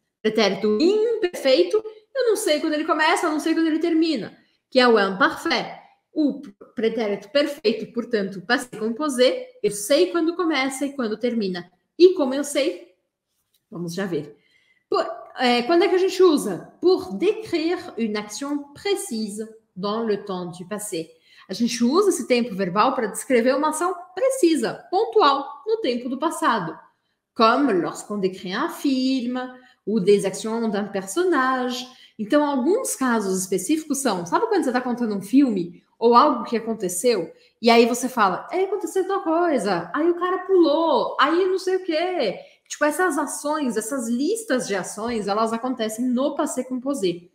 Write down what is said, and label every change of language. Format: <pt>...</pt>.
<pt>Pretérito imperfeito, eu não sei quando ele começa, eu não sei quando ele termina. Que é o imparfait. O pretérito perfeito, portanto, passé composé, eu sei quando começa e quando termina. E como eu sei, vamos já ver. Quando é que a gente usa?</pt> <fr>Por décrire une action précise dans le temps du passé.</fr> <pt>A gente usa esse tempo verbal para descrever uma ação precisa, pontual, no tempo do passado.</pt> <fr>Como lorsqu'on décrit un film, ou des actions d'un personnage.</fr> <pt>Então, alguns casos específicos são, sabe quando você está contando um filme ou algo que aconteceu, e aí você fala, aconteceu tal coisa, aí o cara pulou, aí não sei o quê. Tipo, essas ações, essas listas de ações, elas acontecem no passé composé.</pt>